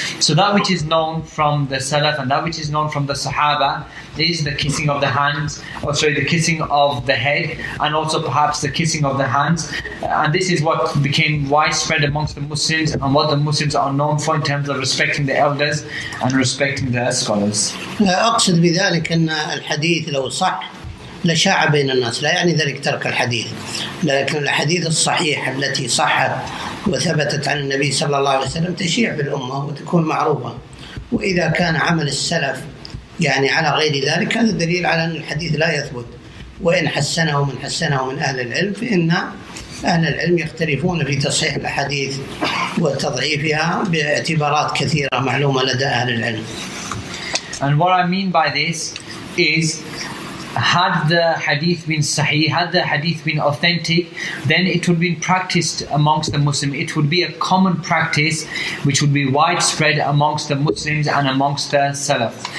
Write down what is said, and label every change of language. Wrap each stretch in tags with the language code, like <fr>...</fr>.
<en>So that which is known from the Salaf and that which is known from the Sahaba is the kissing of the hands, or sorry, the kissing of the head, and also perhaps the kissing of the hands. And this is what became widespread amongst the Muslims and what the Muslims are known for in terms of respecting the elders and respecting the scholars.</en> <ar>أقصد بذلك أن الحديث لو صح لشاع بين الناس, لا يعني ذلك ترك الحديث, لكن الحديث الصحيح التي صحت وثبتت عن النبي صلى الله عليه وسلم تشيع بالأمة وتكون معروفة. وإذا كان عمل السلف يعني على غير ذلك, هذا دليل على أن الحديث لا يثبت, وإن حسنه من حسنه من أهل العلم، فإن أهل العلم يختلفون في تصحيح الحديث وتضعيفها باعتبارات كثيرة معلومة لدى أهل العلم.</ar> <en>And what I mean by this is, had the hadith been sahih, had the hadith been authentic, then it would be practiced amongst the Muslims. It would be a common practice which would be widespread amongst the Muslims and amongst the Salaf.</en>